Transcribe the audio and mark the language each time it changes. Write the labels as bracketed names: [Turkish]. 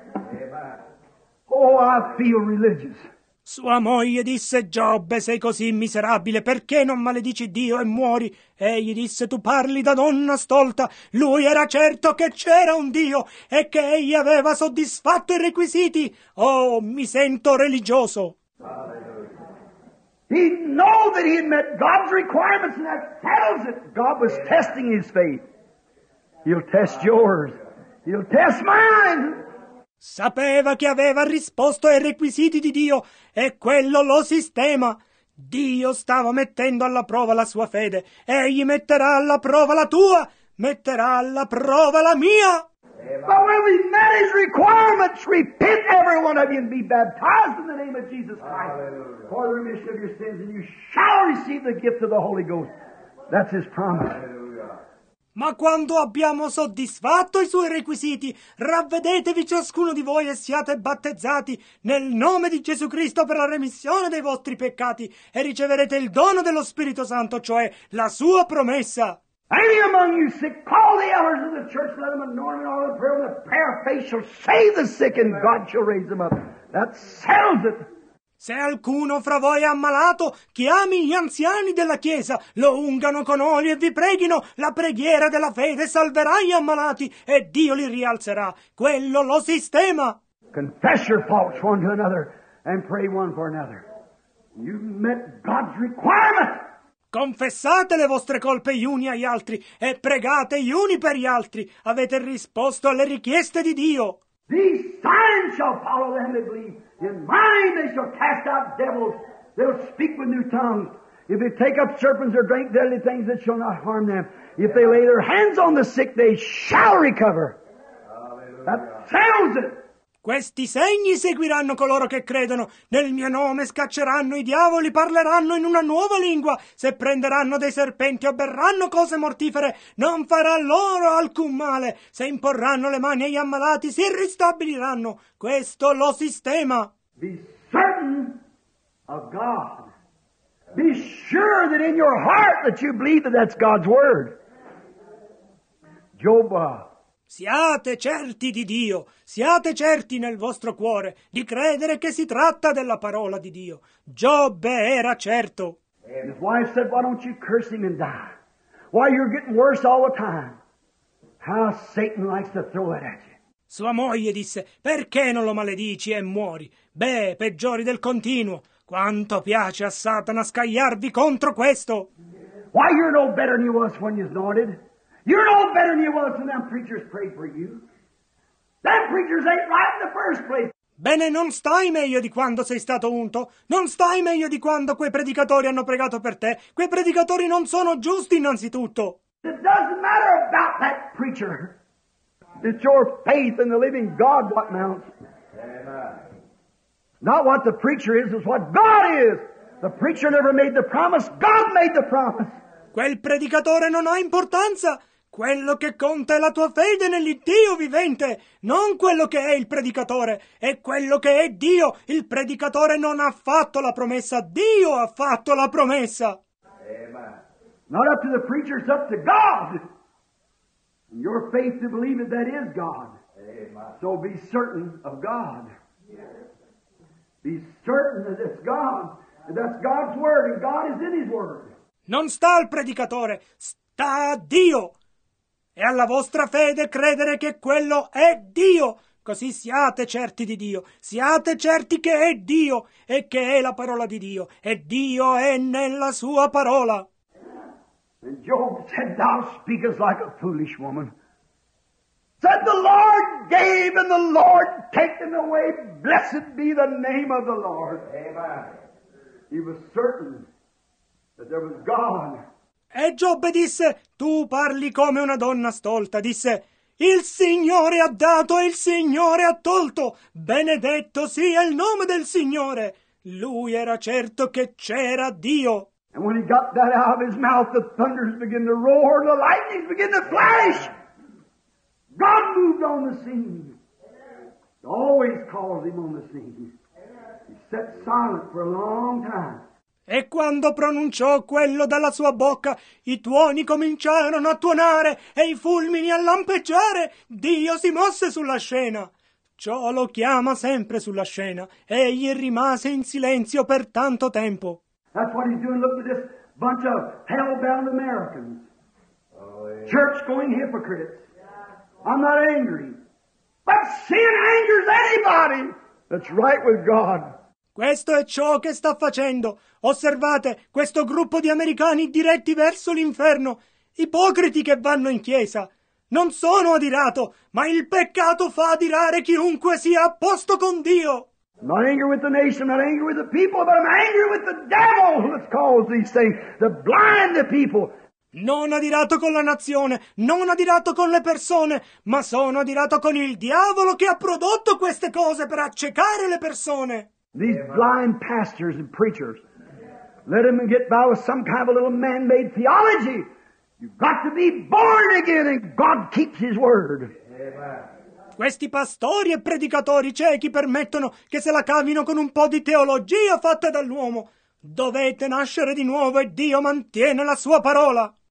[English] Amen. Oh, I feel religious. [Italian] Sua moglie disse, Giobbe, sei così miserabile, perché non maledici Dio e muori? Egli disse, tu parli da donna stolta. Lui era certo che c'era un Dio e che egli aveva soddisfatto i requisiti. Oh, mi sento religioso. [English] He knew that he had met God's requirements and that tells it. God was testing his faith. He'll test yours. He'll test mine. [Italian] Sapeva che aveva risposto ai requisiti di Dio e quello lo sistema. Dio stava mettendo alla prova la sua fede. Egli metterà alla prova la tua, metterà alla prova la mia. [English] But when we met his requirements, repent every one of you and be baptized in the name of Jesus Christ. Hallelujah. For the remission of your sins, and you shall receive the gift of the Holy Ghost. That's his promise. [Italian] Ma quando abbiamo soddisfatto i suoi requisiti, ravvedetevi ciascuno di voi e siate battezzati nel nome di Gesù Cristo per la remissione dei vostri peccati e riceverete il dono dello Spirito Santo, cioè la sua promessa. [English] Any among you sick, call the elders of the church, let them anoint in all the prayer, and the prayer of faith shall save the sick, and God shall raise them up. That settles it. [Italian] Se alcuno fra voi è ammalato, chiami gli anziani della chiesa, lo ungano con olio e vi preghino. La preghiera della fede salverà gli ammalati e Dio li rialzerà. Quello lo sistema. [English] Confess your faults one to another and pray one for another. You met God's requirement. [Italian] Confessate le vostre colpe gli uni agli altri e pregate gli uni per gli altri. Avete risposto alle richieste di Dio. [English] These signs shall follow them that believe. In mine they shall cast out devils. They'll speak with new tongues. If they take up serpents or drink deadly things, it shall not harm them. If they lay their hands on the sick, they shall recover. Hallelujah. That tells it. [Italian] Questi segni seguiranno coloro che credono. Nel mio nome scacceranno i diavoli, parleranno in una nuova lingua. Se prenderanno dei serpenti o berranno cose mortifere, non farà loro alcun male. Se imporranno le mani agli ammalati, si ristabiliranno. Questo lo sistema. [English] Be certain of God. Be sure that in your heart that you believe that that's God's word. [Italian] Siate certi di Dio, siate certi nel vostro cuore di credere che si tratta della parola di Dio. Giobbe era certo. [English] And his wife said, why don't you curse him and die? Why you're getting worse all the time? How Satan likes to throw it at you. [Italian] Sua moglie disse, perché non lo maledici e muori? Beh, peggiori del continuo. Quanto piace a Satana scagliarvi contro questo. [English] Why you're no better than you was when you snorted? You're no better than you was when them preachers prayed for you. Them preachers ain't right in the first place. [Italian] Bene, non stai meglio di quando sei stato unto. Non stai meglio di quando quei predicatori hanno pregato per te. Quei predicatori non sono giusti innanzitutto. [English] It doesn't matter about that preacher. It's your faith in the living God what counts. Amen. Not what the preacher is what God is. The preacher never made the promise. God made the promise. [Italian] Quel predicatore non ha importanza. Quello che conta è la tua fede nell'Iddio vivente, non quello che è il predicatore. È quello che è Dio. Il predicatore non ha fatto la promessa. Dio ha fatto la promessa. [English] Amen. Not up to the preacher, it's up to God. And your faith to believe that that is God. Amen. So be certain of God. Yes. Be certain that it's God. That's God's word and God is in his word. [Italian] Non sta al predicatore, sta a Dio. E alla vostra fede credere che quello è Dio. Così siate certi di Dio. Siate certi che è Dio e che è la parola di Dio. E Dio è nella sua parola. [English] And Job said, thou speakest like a foolish woman. Said, the Lord gave and the Lord taken away. Blessed be the name of the Lord. Amen. He was certain. That there was God. [Italian] E Giobbe disse, tu parli come una donna stolta. Disse, il Signore ha dato e il Signore ha tolto. Benedetto sia il nome del Signore. Lui era certo che c'era Dio. [English] And when he got that out of his mouth, the thunders began to roar, the lightnings began to flash. God moved on the scene. He always calls him on the scene. He sat silent for a long time. [Italian] E quando pronunciò quello dalla sua bocca, i tuoni cominciarono a tuonare e i fulmini a lampeggiare. Dio si mosse sulla scena. Ciò lo chiama sempre sulla scena. Egli rimase in silenzio per tanto tempo. [English] That's what he's doing. Look at this bunch of hell-bound Americans. Oh, yeah. Church-going hypocrites. I'm not angry. But sin angers anybody that's right with God. [Italian] Questo è ciò che sta facendo. Osservate questo gruppo di americani diretti verso l'inferno, ipocriti che vanno in chiesa. Non sono adirato, ma il peccato fa adirare chiunque sia a posto con Dio. [English] Not angry with the nation, not angry with the people, but I'm angry with the devil who has caused these things to blind the people. [Italian] Non adirato con la nazione, non adirato con le persone, ma sono adirato con il diavolo che ha prodotto queste cose per accecare le persone. [English] These blind pastors and preachers, let them get by with some kind of a little man-made theology. You've got to be born again, and God keeps His word. [Italian] Questi pastori e predicatori ciechi permettono che se la cavino con un po' di teologia fatta dall'uomo. Dovete nascere di nuovo e Dio mantiene la sua parola.